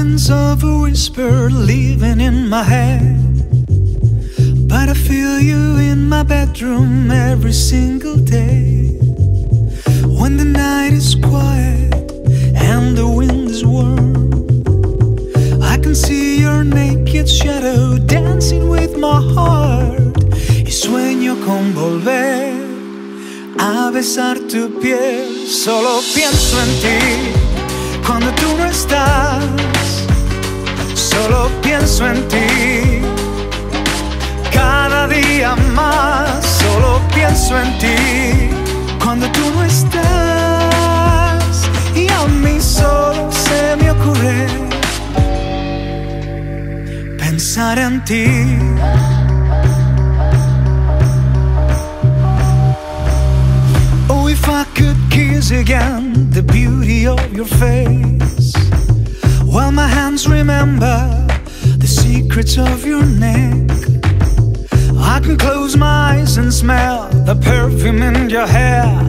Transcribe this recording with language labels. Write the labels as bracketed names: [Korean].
[English] Of a whisper living in my head, but I feel you in my bedroom every single day. When the night is quiet and the wind is warm, I can see your naked shadow dancing with my heart. [Spanish] Y sueño con volver a besar tu piel. Solo pienso en ti cuando tú no estás. Solo pienso en ti cada día más. Solo pienso en ti cuando tú no estás. Y a mí solo se me ocurre pensar en ti. [English] Oh, if I could kiss again the beauty of your face, while my hands remember the secrets of your neck, I can close my eyes and smell the perfume in your hair.